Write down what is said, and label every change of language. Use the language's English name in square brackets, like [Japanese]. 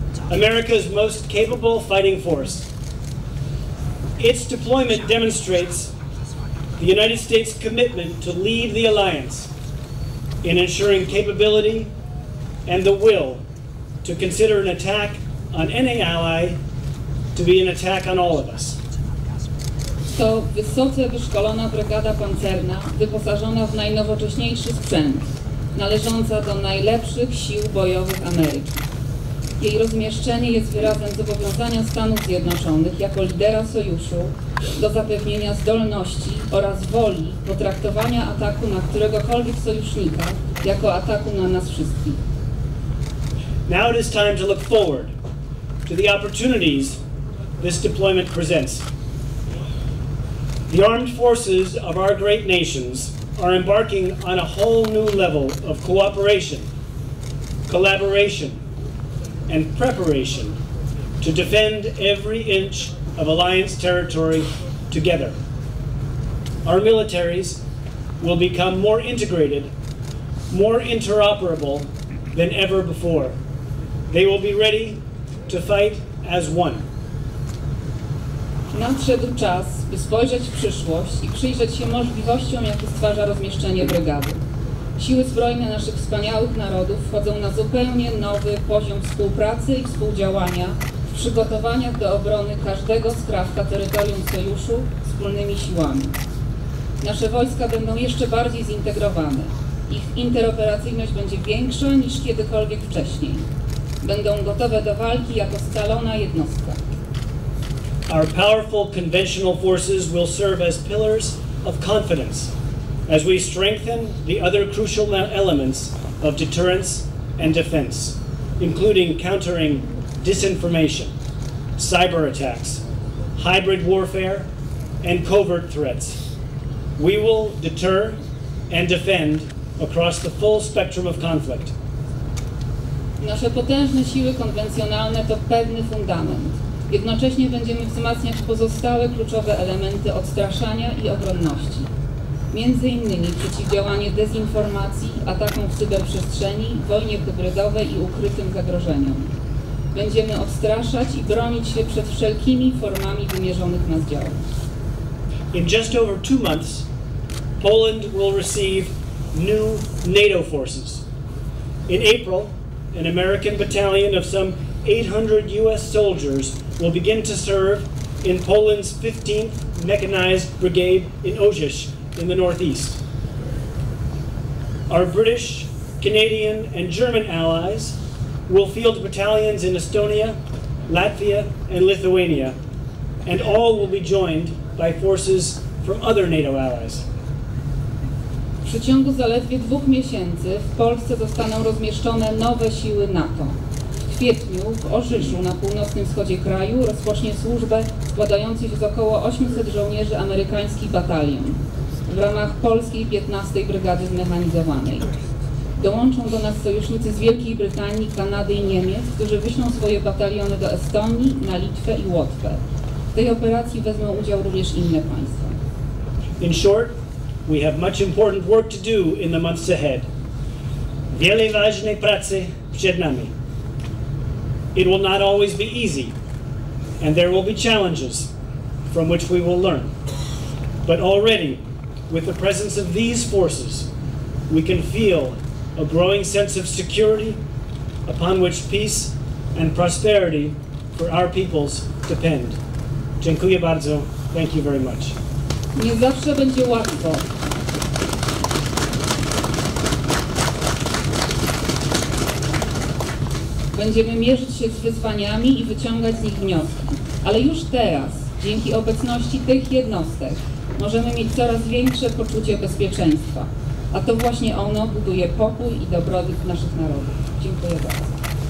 [English] America's most capable fighting force. Its deployment demonstrates the United States' commitment to lead the alliance in ensuring capability and the will to consider an attack on any ally to be an attack on all of us. [Polish] To wysoce wyszkolona brygada pancerna, wyposażona w najnowocześniejszy sprzęt, należąca do najlepszych sił bojowych Ameryki. Jej rozmieszczenie jest wyrazem zobowiązania Stanów Zjednoczonych jako lidera sojuszu do zapewnienia zdolności oraz woli potraktowania ataku na któregokolwiek sojusznika jako ataku na nas wszystkich. [English] Now it is time to look forward to the opportunities this deployment presents. The armed forces of our great nations are embarking on a whole new level of cooperation, collaboration, and preparation to defend every inch of alliance territory together. Our militaries will become more integrated, more interoperable than ever before. They will be ready to fight as one. [Polish] Nadszedł czas, by spojrzeć w przyszłość i przyjrzeć się możliwościom, jakie stwarza rozmieszczenie brygady. Siły zbrojne naszych wspaniałych narodów wchodzą na zupełnie nowy poziom współpracy i współdziałania w przygotowaniach do obrony każdego skrawka terytorium sojuszu wspólnymi siłami. Nasze wojska będą jeszcze bardziej zintegrowane. Ich interoperacyjność będzie większa niż kiedykolwiek wcześniej. Będą gotowe do walki jako scalona jednostka. [English] Our powerful conventional forces will serve as pillars of confidence as we strengthen the other crucial elements of deterrence and defense, including countering disinformation, cyber attacks, hybrid warfare, and covert threats. We will deter and defend across the full spectrum of conflict. [Polish] Nasze potężne siły konwencjonalne to pewny fundament. Jednocześnie będziemy wzmacniać pozostałe kluczowe elementy odstraszania i obronności. Między innymi przeciwdziałanie dezinformacji, atakom w cyberprzestrzeni, wojnie hybrydowej i ukrytym zagrożeniom. Będziemy odstraszać i bronić się przed wszelkimi formami wymierzonych nas działań. [English] In just over 2 months, Poland will receive new NATO forces. In April, an American battalion of some 800 US soldiers will begin to serve in Poland's 15th Mechanized Brigade in Ojciec in the Northeast. Our British, Canadian, and German allies will field battalions in Estonia, Latvia, and Lithuania, and all will be joined by forces from other NATO allies. [Polish] W przeciągu zaledwie 2 miesięcy w Polsce zostaną rozmieszczone nowe siły NATO. W kwietniu w Orzyszu na północnym wschodzie kraju rozpocznie służbę składający się z około 800 żołnierzy amerykański batalion w ramach polskiej 15. Brygady Zmechanizowanej. Dołączą do nas sojusznicy z Wielkiej Brytanii, Kanady i Niemiec, którzy wyślą swoje bataliony do Estonii, na Litwę i Łotwę. W tej operacji wezmą udział również inne państwa. [English] In short, we have much important work to do in the months ahead. [Polish] Wiele ważnej pracy przed nami. [English] It will not always be easy, and there will be challenges from which we will learn. But already, with the presence of these forces, we can feel a growing sense of security upon which peace and prosperity for our peoples depend. [Polish] Dziękuję bardzo. [English] Thank you very much. [Polish] Nie zawsze będzie łatwo. Będziemy mierzyć się z wyzwaniami i wyciągać z nich wnioski. Ale już teraz, Dzięki obecności tych jednostek możemy mieć coraz większe poczucie bezpieczeństwa. A to właśnie ono buduje pokój i dobrobyt naszych narodów. Dziękuję bardzo.